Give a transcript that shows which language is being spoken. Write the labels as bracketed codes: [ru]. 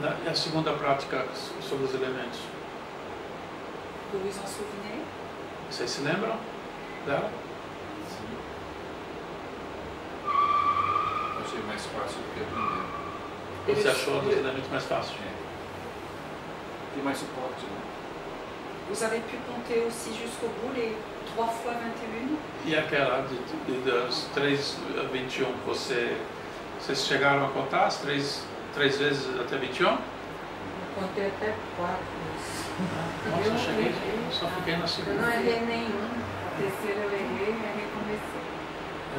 [pt] A segunda prática sobre os elementos. [fr] Vous vous en souvenez? [pt] Vocês se lembram dela? Sim. Achei mais fácil do que aprender. Você achou os elementos mais fáceis? Tem mais suporte, né? [fr] Vous avez pu compter aussi jusqu'au bout les 3x21? [pt] E aquela das 3x21, vocês chegaram a contar as 3 vezes até 21? Eu contei até 4. Nossa, eu cheguei, só fiquei na segunda. Eu não errei nenhum. A terceira eu errei e recomecei.